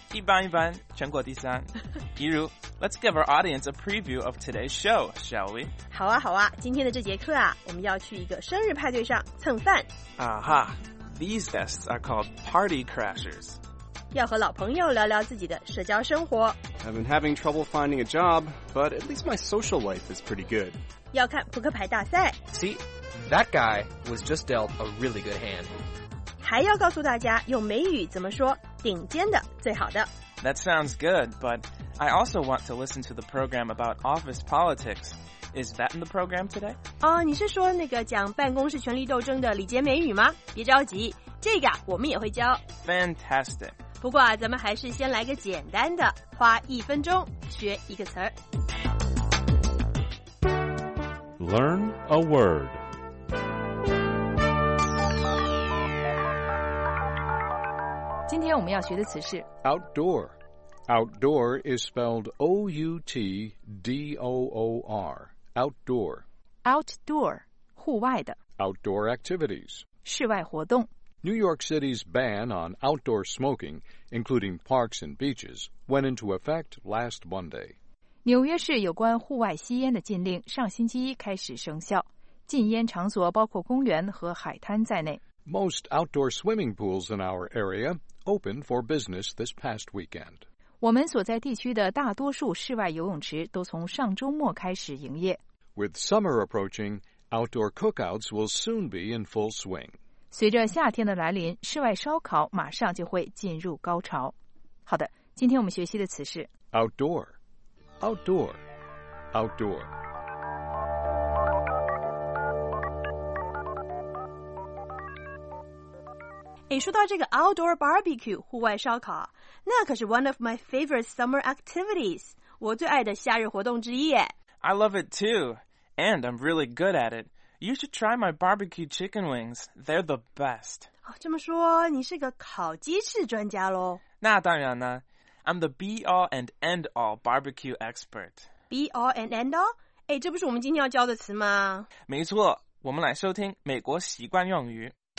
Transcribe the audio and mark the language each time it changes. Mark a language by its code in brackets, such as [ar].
[zh] 一般一般，全国第三。比如 [en] Let's give our audience a preview of today's show, shall we? [zh] 好啊好啊，今天的这节课啊，我们要去一个生日派对上蹭饭。 [en] 啊哈，these guests are called party crashers. [zh] 要和老朋友聊聊自己的社交生活。 [en] I've been having trouble finding a job, but at least my social life is pretty good. [zh] 要看扑克牌大赛。 [en] See, that guy was just dealt a really good hand. [zh] 还要告诉大家用美语怎么说顶尖的最好的。 [en] That sounds good, but I also want to listen to the program about office politics. Is that in the program today? [zh] 你是说那个讲办公室权力斗争的礼节美语吗？别着急，这个我们也会教。 [en] Fantastic. [zh] 不过咱们还是先来个简单的，花一分钟学一个词儿。 [en] Learn a word. [zh] 今天我们要学的词是 [en] outdoor. Outdoor is spelled O-U-T-D-O-O-R. Outdoor. [zh] Outdoor, 户外的 [en] Outdoor activities. [zh] 室外活动 [en] New York City's ban on outdoor smoking, including parks and beaches, went into effect last Monday. [zh] 纽约市有关户外吸烟的禁令上星期一开始生效。禁烟场所包括公园和海滩在内。 [en] Most outdoor swimming pools in our area open for business this past weekend. [zh] 我们所在地区的大多数室外游泳池都从上周末开始营业。 [en] With summer approaching, outdoor cookouts will soon be in full swing. [zh] 随着夏天的来临，室外烧烤马上就会进入高潮。好的，今天我们学习的词是 [en] outdoor, outdoor, outdoor. [zh] 哎，说到这个 outdoor barbecue 户外烧烤，那可是 [en] one of my favorite summer activities， [zh] 我最爱的夏日活动之一。 [en] I love it too, and I'm really good at it. You should try my barbecue chicken wings; they're the best. [zh] 哦，这么说你是个烤鸡翅专家喽？那当然呢 [en] ，I'm the be all and end all barbecue expert. Be all and end all？ [zh] 哎，这不是我们今天要教的词吗？没错，我们来收听美国习惯用语。